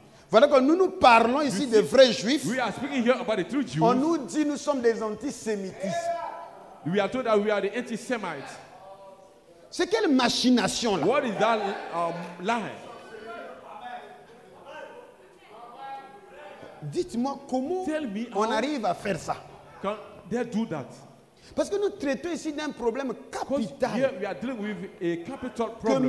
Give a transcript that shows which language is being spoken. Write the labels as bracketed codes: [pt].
[fr] Voilà que nous parlons ici des vrais juifs. [en] We are speaking here about the true Jews. [fr] On nous dit nous sommes des antisémites. [en] We are told that we are the anti-Semites. [fr] C'est quelle machination là? [en] What is that lie? [fr] Dites-moi comment [en] tell me [fr] on arrive à faire ça? [en] Can they do that? [fr] Parce que nous traitons ici d'un problème capital. [en] Here we are dealing with a capital problem.